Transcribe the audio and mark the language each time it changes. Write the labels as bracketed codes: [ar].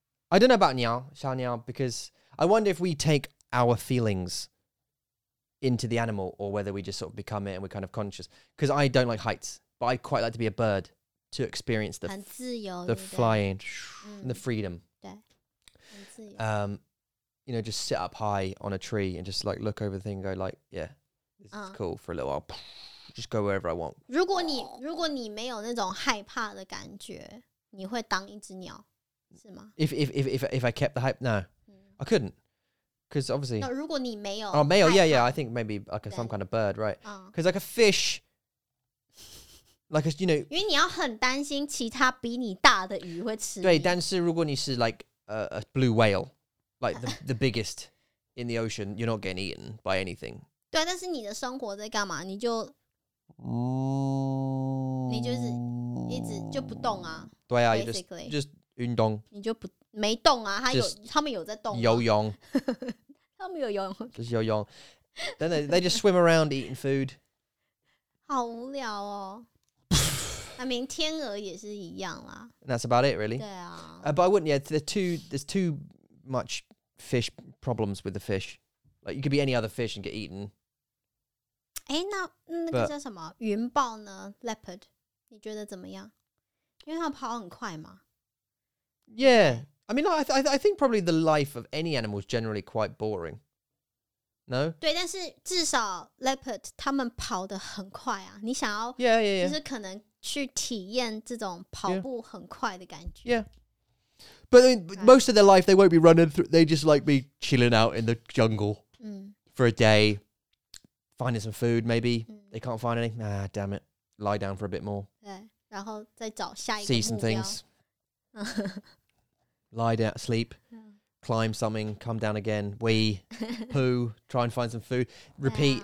[en] I don't know about Niao, Xiao Niao, because I wonder if we take our feelings into the animal or whether we just sort of become it and we're kind of conscious. Because I don't like heights, but I quite like to be a bird to experience the, [zh] 很自由, [en] the flying and the freedom. [zh] 对很自由 [en] You know, just sit up high on a tree and just like look over the thing and go like, yeah, this is cool for a little while. Just go wherever I want. [zh] 如果你没有那种害怕的感觉,你会当一只鸟。 [en] If I kept the hype, no, I couldn't, because obviously. [zh] No, 如果你没有哦没有 [en] yeah yeah I think maybe like some kind of bird right because like a fish, like a, you know. [zh] 因为你要很担心其他比你大的鱼会吃你。对，但是如果你是 [en] like a blue whale, like the biggest in the ocean, you're not getting eaten by anything. [zh] 对啊，但是你的生活在干嘛？你就，你就是一直就不动啊。对啊，basically 就是运动。你就不没动啊？他有，他们有在动吗？游泳。他们有游泳。就是游泳。 [en] Then they just swim around eating food. [zh] 好无聊哦。 [en] I mean, [zh] 天鹅也是一样啦。 [en] And that's about it, really. [zh] 对啊。 [en] But I wouldn't. Yeah, there's too much fish problems with the fish. Like you could be any other fish and get eaten. [zh] 哎，那那个叫什么云豹呢 ？Leopard， 你觉得怎么样？因为它跑很快嘛。 [en] Yeah, I mean, I think probably the life of any animal is generally quite boring. No. [zh] 对，但是至少 leopard 它们跑得很快啊。你想要 [en] yeah. [zh] 就是可能去体验这种跑步很快的感觉。 [en] Yeah. But I mean, most of their life, they won't be running through. They just like be chilling out in the jungle for a day, finding some food. Maybe they can't find any. Ah, damn it! Lie down for a bit more. [zh] 对，然后再找下一个目 [en] 标。See some things. Lie down, sleep, climb something, come down again, wee, poo, try and find some food, repeat.